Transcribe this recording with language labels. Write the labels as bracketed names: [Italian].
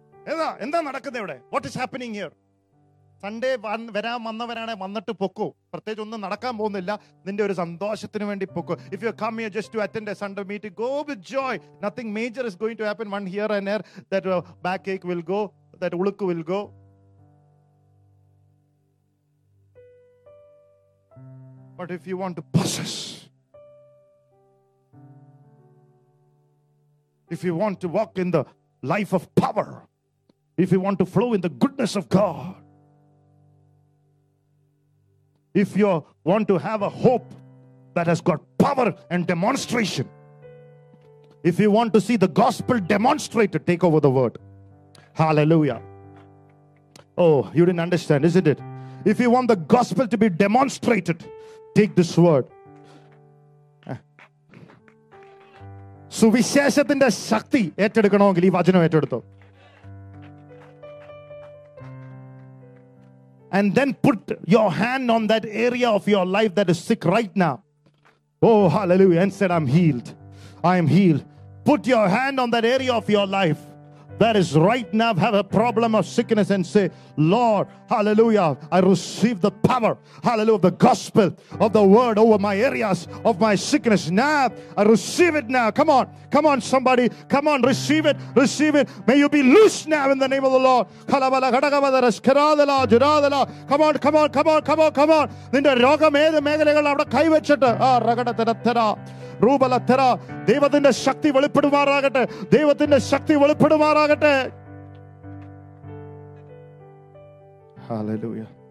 [Malayalam] എന്താ എന്താ നടക്കുന്നത് ഇവിടെ? [English] What is happening here? [Malayalam] Sunday വരാൻ വന്നവരാണെങ്കിൽ വന്നിട്ട് പൊക്കോ, പ്രത്യേകിച്ച് ഒന്നും നടക്കാൻ പോകുന്നില്ല, നിന്റെ ഒരു സന്തോഷത്തിന് വേണ്ടി പൊക്കോ. [English] If you come here just to attend a Sunday meeting, go with joy. Nothing major is going to happen one here and here that backache will go, that uluku will go. But if you want to possess, if you want to walk in the life of power, if you want to flow in the goodness of God, if you want to have a hope that has got power and demonstration, if you want to see the gospel demonstrated, take over the word. Hallelujah. Oh, you didn't understand, isn't it? If you want the gospel to be demonstrated, take this word. സുവിശേഷത്തിന്റെ ശക്തി ഏറ്റെടുക്കണമെങ്കിൽ ഈ വചനം ഏറ്റെടുത്തു. And then put your hand on that area of your life that is sick right now. Oh, hallelujah. And said, I'm healed. I am healed. Put your hand on that area of your life that is right now have a problem of sickness and say, Lord, hallelujah, I receive the power, hallelujah, of the gospel, of the word over my areas of my sickness. Now, I receive it now. Come on. Come on, somebody. Come on, receive it. Receive it. May you be loose now in the name of the Lord. Come on, come on, come on, come on, come on, come on. [Malayalam] നിന്റെ രോഗം ഏത് മേഖലകളിൽ അവിടെ കൈവച്ചിട്ട് രൂപലത്തര ദൈവത്തിന്റെ ശക്തി വെളിപ്പെടുമാറാകട്ടെ. ദൈവത്തിന്റെ ശക്തി വെളിപ്പെടുമാറാകട്ടെ. Hallelujah.